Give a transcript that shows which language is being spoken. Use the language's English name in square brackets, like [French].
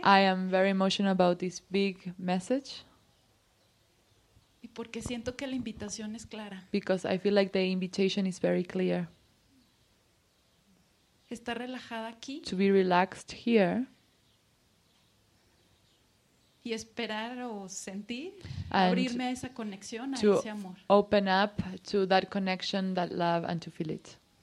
[English] I am very emotional about this big message. [Spanish] Y porque siento que la invitación es clara. [English] Because I feel like the invitation is very clear. [Spanish] Estar relajada aquí. [English] To be relaxed here. [Spanish] Y esperar o sentir, and abrirme a esa conexión, a [English] to [Spanish] ese amor. [English] Open up to that connection, that love, and to feel it.